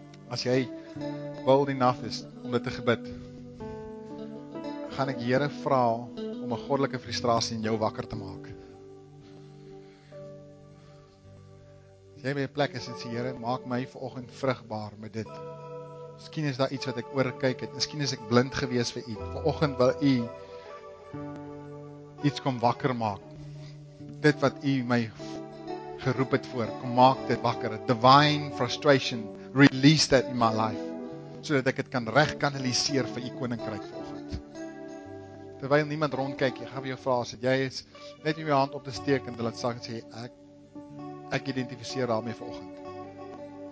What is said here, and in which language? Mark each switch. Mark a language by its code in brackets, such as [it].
[af] As jy [en] bold enough [af] is om dit te gebid, gaan ek die Here vra om 'n goddelike frustrasie in jou wakker te maak. As jy by 'n plek is en sê, Here, maak my vanoggend vrugbaar met dit. Miskien is daar iets wat ek oorkyk het. Miskien is ek blind gewees vir U. Vanoggend wil U iets kom wakker maak. Dit wat U my geroep het voor, kom maak dit wakker. [en] A divine frustration, release that in my life. [af] Sodat ek dit kan regkanaliseer vir U koninkryk vanoggend. Terwyl niemand rondkyk, ek gaan jou vra as jy is net om jou hand op te steek en dit sê ek identifiseer daarmee vanoggend.